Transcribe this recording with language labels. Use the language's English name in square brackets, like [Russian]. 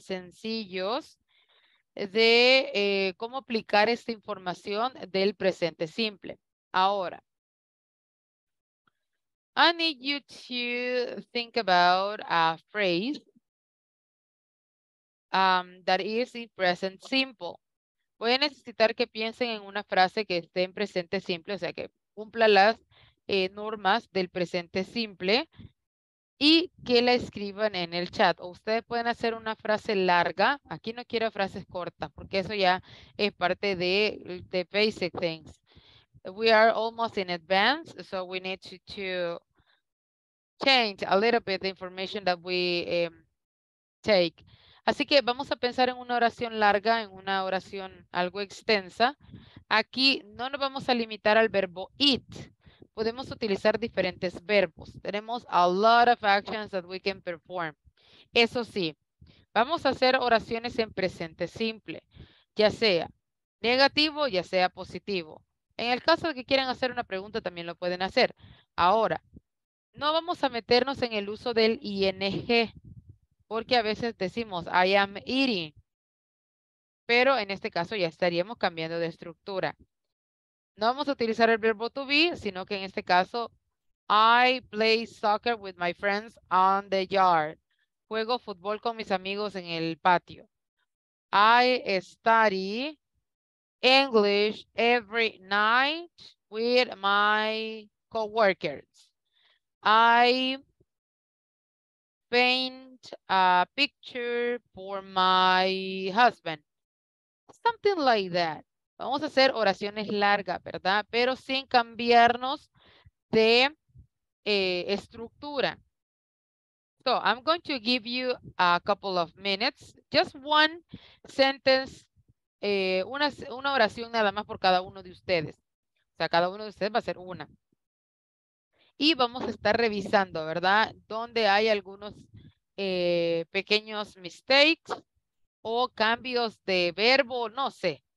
[Spanish] Sencillos de cómo aplicar esta información del presente simple. Ahora, [English] I need you to think about a phrase that is in present simple. [Spanish] Voy a necesitar que piensen en una frase que esté en presente simple, o sea, que cumpla las normas del presente simple. Y que la escriban en el chat. O ustedes pueden hacer una frase larga. Aquí no quiero frases cortas porque eso ya es parte de [English] the basic things. We are almost in advance, so we need to change a little bit the information that we take. [Spanish] Así que vamos a pensar en una oración larga, en una oración algo extensa. Aquí no nos vamos a limitar al verbo eat. Podemos utilizar diferentes verbos. Tenemos [English] a lot of actions that we can perform. [Spanish] Eso sí, vamos a hacer oraciones en presente simple, ya sea negativo, ya sea positivo. En el caso de que quieran hacer una pregunta, también lo pueden hacer. Ahora, no vamos a meternos en el uso del ing, porque a veces decimos [English] I am eating, [Spanish] pero en este caso ya estaríamos cambiando de estructura. No vamos a utilizar el verbo to be, sino que en este caso, [English] I play soccer with my friends on the yard. [Spanish] Juego fútbol con mis amigos en el patio. [English] I study English every night with my coworkers. I paint a picture for my husband. Something like that. [Spanish] Vamos a hacer oraciones largas, ¿verdad? Pero sin cambiarnos de estructura. [English] So, I'm going to give you a couple of minutes. Just one sentence, [Spanish] una oración nada más por cada uno de ustedes. O sea, cada uno de ustedes va a hacer una. Y vamos a estar revisando, ¿verdad? Donde hay algunos pequeños mistakes o cambios de verbo, no sé.